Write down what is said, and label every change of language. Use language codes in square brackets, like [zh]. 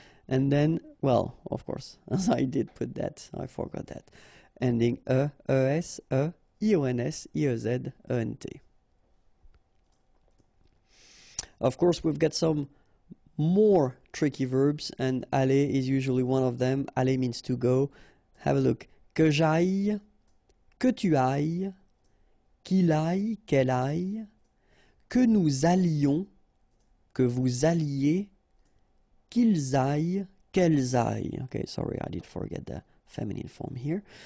[en] And then, well, of course, as I did put that, I forgot that. Ending E, E, S, E, I, O, N, S, I, E, Z, E, N, T. Of course, we've got some more tricky verbs, and aller is usually one of them. Aller means to go. Have a look. [fr] Que j'aille, que tu ailles, qu'il aille, qu'elle aille, que nous allions, que vous alliez, qu'ils aillent, qu'elles aillent. [en] Okay, sorry, I did forget the feminine form here.